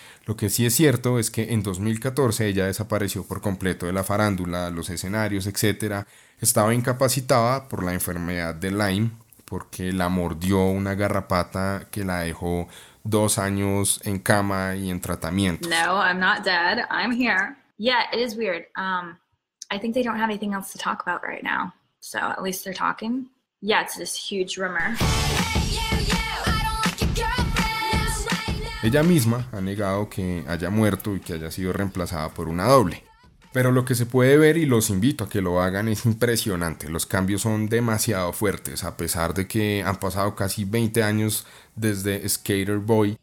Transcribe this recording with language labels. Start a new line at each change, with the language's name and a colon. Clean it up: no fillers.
Spanish: Lo que sí es cierto es que en 2014 ella desapareció por completo de la farándula, los escenarios, etc. Estaba incapacitada por la enfermedad de Lyme, porque la mordió una garrapata que la dejó 2 años en cama y en tratamientos.
English: No, I'm not dead. I'm here. Yeah, it is weird. I think they don't have anything else to talk about right now. So at least they're talking. Yeah, it's this huge rumor.
Spanish: Ella misma ha negado que haya muerto y que haya sido reemplazada por una doble. Pero lo que se puede ver, y los invito a que lo hagan, es impresionante. Los cambios son demasiado fuertes, a pesar de que han pasado casi 20 años desde Skater Boy.